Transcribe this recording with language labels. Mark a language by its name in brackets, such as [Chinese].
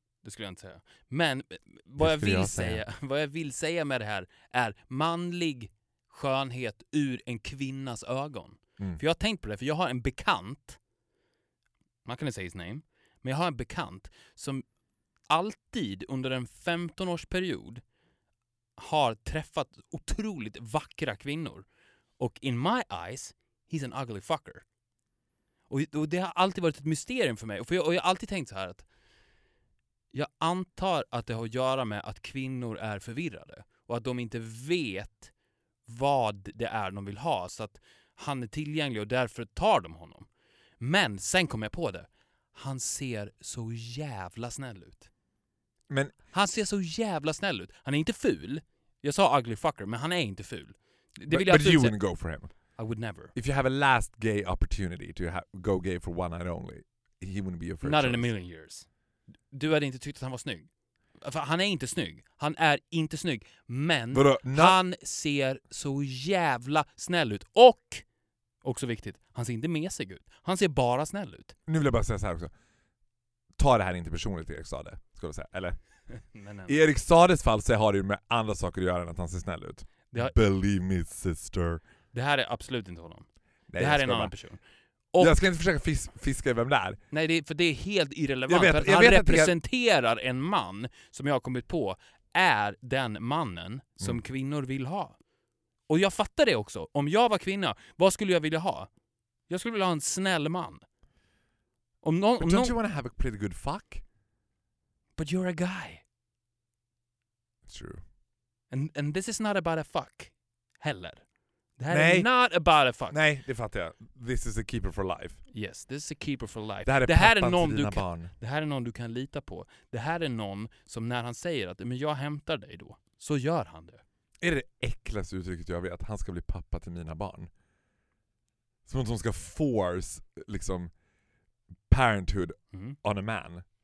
[Swedish] Det skulle jag inte säga. Men vad jag vill säga, vad jag vill säga med det här är manlig skönhet ur en kvinnas ögon. Mm. För jag har tänkt på det, för jag har en bekant, man kan inte säga [English] his name, [Swedish] men jag har en bekant som alltid under en 15-årsperiod har träffat otroligt vackra kvinnor. [English] Och in my eyes, he's an ugly fucker. [Swedish] Och det har alltid varit ett mysterium för mig. Och jag har alltid tänkt så här att jag antar att det har att göra med att kvinnor är förvirrade. Och att de inte vet vad det är de vill ha. Så att han är tillgänglig och därför tar de honom. Men sen kom jag på det. Han ser så jävla snäll ut. Men han ser så jävla snäll ut. Han är inte ful. Jag sa [English] ugly fucker, [Swedish] men han är inte ful. Det vill [English] but jag you wouldn't go for him. I would never. If you have a last gay opportunity to go gay for one night only, he wouldn't be your first Not choice. In a million years. [Swedish] Du hade inte tyckt att han var snygg. För han är inte snygg. Han är inte snygg. Men han ser så jävla snäll ut. Och, också viktigt, han ser inte mesig ut. Han ser bara snäll ut. Nu vill jag bara säga så här också. Ta det här inte personligt, Erik Sade, skulle jag säga. Eller? Nej. I Erik Sades fall så har det ju med andra saker att göra än att han ser snäll ut. [English] Believe me, sister. [Swedish] Det här är absolut inte honom. Nej, det här är en annan person. Och jag ska inte försöka fiska vem det är. Nej, för det är helt irrelevant. Jag vet, för han representerar en man som jag har kommit på är den mannen som kvinnor vill ha. Och jag fattar det också. Om jag var kvinna, vad skulle jag vilja ha? Jag skulle vilja ha en snäll man. Om någon, [English] but don't you want to have a pretty good fuck? But you're a guy. True. And this is not about a fuck heller. That nej. Is not about a fuck. [Swedish] Nej, det fattar jag. [English] This is a keeper for life. Yes, this is a keeper for life. [Swedish] Det här är någon du kan, det här är någon du kan lita på. Det här är någon som när han säger att men jag hämtar dig då, så gör han det. Är det äckligaste uttrycket jag vet att han ska bli pappa till mina barn? Som att hon ska [English] force [Swedish] liksom [English] parenthood on a man.